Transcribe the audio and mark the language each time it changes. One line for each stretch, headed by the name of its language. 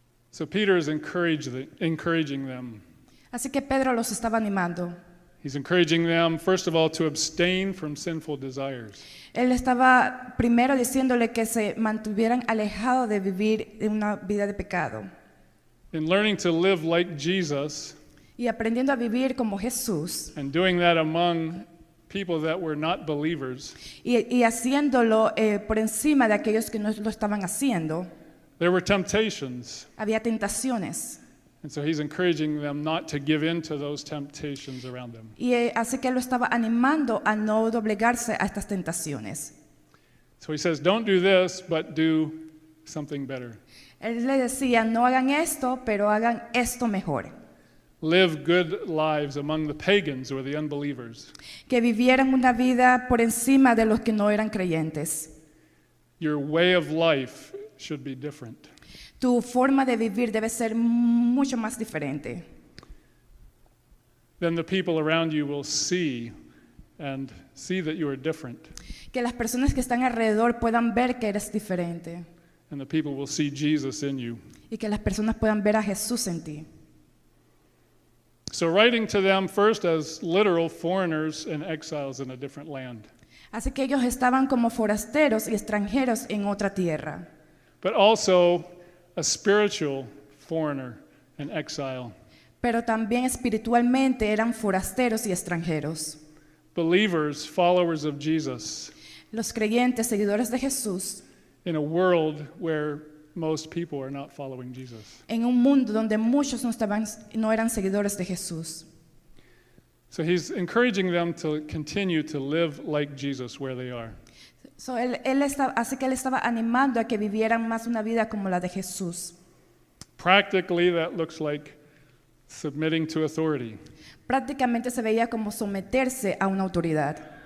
English: So Peter is encouraging them.
Spanish: Así que Pedro los estaba animando.
English: He's encouraging them, first of all, to abstain from sinful desires.
Spanish: Él estaba primero diciéndole que se mantuvieran alejado de vivir una vida de pecado.
English: In learning to live like Jesus.
Spanish: Y aprendiendo a vivir como Jesús.
English: And doing that among people that were not believers.
Spanish: Y haciéndolo por encima de aquellos que no lo estaban haciendo.
English: There were temptations.
Spanish: Había tentaciones.
English: And so he's encouraging them not to give in to those temptations around them.
Spanish: Y así que lo estaba animando a no doblegarse a estas tentaciones.
English: So he says, "Don't do this, but do something better."
Spanish: Él le decía, "No hagan esto, pero hagan esto mejor."
English: Live good lives among the pagans or the unbelievers.
Spanish: Que vivieran una vida por encima de los que no eran creyentes.
English: Your way of life should be different.
Spanish: Tu forma de vivir debe ser mucho más diferente.
English: Then the people around you will see and see that you are different.
Spanish: Que las personas que están alrededor puedan ver que eres diferente.
English: And the people will see Jesus in you.
Spanish: Y que las personas puedan ver a Jesús en ti.
English: So writing to them first as literal foreigners and exiles in a different land.
Spanish: Así que ellos estaban como forasteros y extranjeros en otra tierra.
English: But also a spiritual foreigner and exile.
Spanish: Pero también espiritualmente eran forasteros y extranjeros.
English: Believers, followers of Jesus.
Spanish: Los creyentes, seguidores de Jesús.
English: In a world where most people are not following Jesus.
Spanish: En un mundo donde muchos no eran seguidores de Jesús.
English: So he's encouraging them to continue to live like Jesus where they are.
Spanish: So él estaba animando a que vivieran más una vida como la de Jesús.
English: Practically, that looks like submitting to authority.
Spanish: Prácticamente se veía como someterse a una autoridad.